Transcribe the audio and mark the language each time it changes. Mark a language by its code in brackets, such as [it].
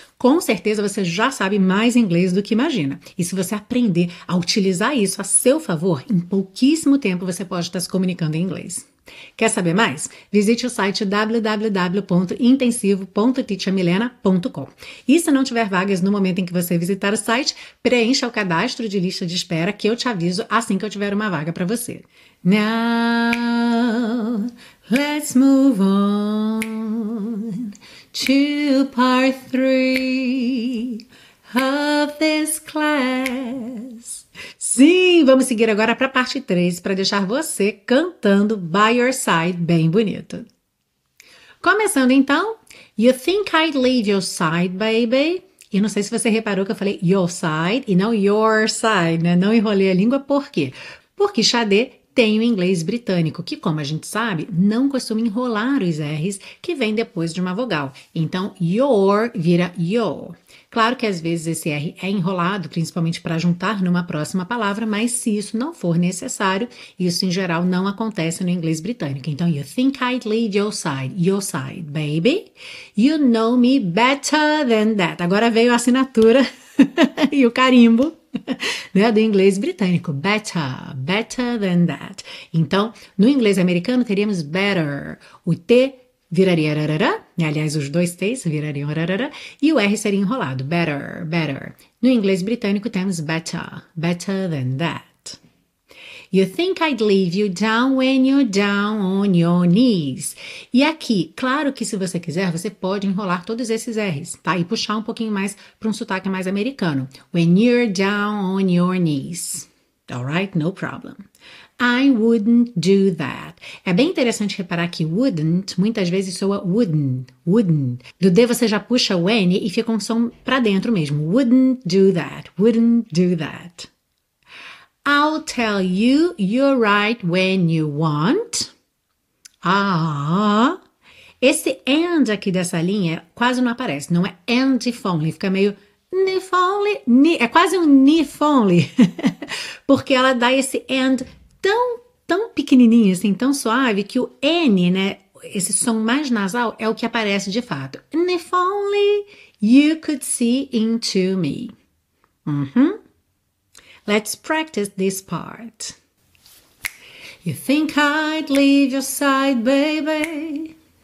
[pt] Com certeza você já sabe mais inglês do que imagina. E se você aprender a utilizar isso a seu favor, em pouquíssimo tempo você pode estar se comunicando em inglês. Quer saber mais? Visite o site www.intensivo.teachamilena.com. E se não tiver vagas no momento em que você visitar o site, preencha o cadastro de lista de espera que eu te aviso assim que eu tiver uma vaga para você. Now, [en] Let's move on to part three of this class. [pt] Sim, vamos seguir agora para a parte 3 para deixar você cantando By Your Side bem bonito. Começando então, [en] You Think I'd Leave Your Side, Baby. [pt] Eu não sei se você reparou que eu falei Your Side e não Your Side, né? Não enrolei a língua, por quê? Porque Sade tem o inglês britânico, que como a gente sabe, não costuma enrolar os R's que vem depois de uma vogal. Então, your vira yo. Claro que às vezes esse R é enrolado, principalmente para juntar numa próxima palavra, mas se isso não for necessário, isso em geral não acontece no inglês britânico. [en] Então, you think I'd leave your side, baby. You know me better than that. [pt] Agora veio a assinatura e o carimbo. Né, do inglês britânico, better, [en] better than that. [pt] Então, no inglês americano teríamos better, o T viraria rarara, e, aliás, os dois T's virariam rarara, e o R seria enrolado, better, better. No inglês britânico temos better, [en] better than that. You think I'd leave you down when you're down on your knees. [pt] E aqui, claro que se você quiser, você pode enrolar todos esses R's, tá? E puxar um pouquinho mais para um sotaque mais americano. [en] When you're down on your knees. Alright, no problem. I wouldn't do that. [pt] É bem interessante reparar que wouldn't muitas vezes soa wouldn't. Do D você já puxa o N e fica um som para dentro mesmo. [en] Wouldn't do that, wouldn't do that. I'll tell you you're right when you want. [pt] Ah, esse and aqui dessa linha quase não aparece. Não é [en] and if only. [pt] Fica meio if only. É quase um [en] if only. [pt] Porque ela dá esse and tão pequenininho, assim, tão suave, que o N, né, esse som mais nasal, é o que aparece de fato. [en] If only you could see into me. Uhum. Let's practice this part. You think I'd leave your side, baby?